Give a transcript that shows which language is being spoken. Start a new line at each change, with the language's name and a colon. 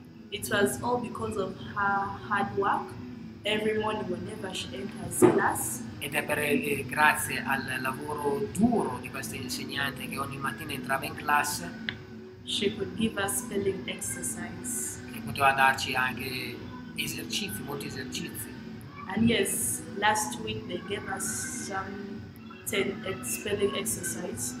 English: It was all because of her hard work. Every morning whenever she enters class.
Italian: Ed è per grazie al lavoro duro di questa insegnante che ogni mattina entrava in classe.
English: She could give us spelling exercise.
Italian: Che poteva darci anche esercizi, molti esercizi.
English: And yes, last week they gave us some 10 spelling exercise.